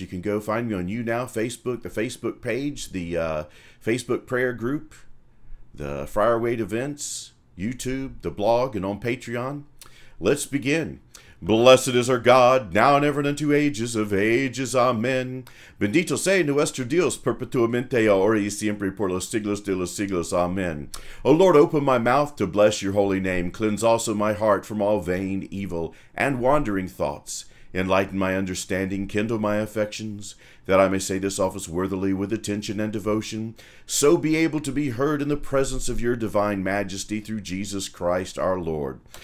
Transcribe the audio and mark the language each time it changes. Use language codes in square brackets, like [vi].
[en] You can go find me on YouNow, Facebook, the Facebook page, the Facebook prayer group, the Friar Wade events, YouTube, the blog, and on Patreon. Let's begin. Blessed is our God, now and ever and unto ages of ages. Amen. [es] Bendito sea nuestro Dios, perpetuamente, ahora y siempre, por los siglos. [en] Amen. O Lord, open my mouth to bless your holy name. Cleanse also my heart from all vain, evil, and wandering thoughts. Enlighten my understanding, kindle my affections, that I may say this office worthily with attention and devotion, so be able to be heard in the presence of your divine majesty through Jesus Christ our Lord.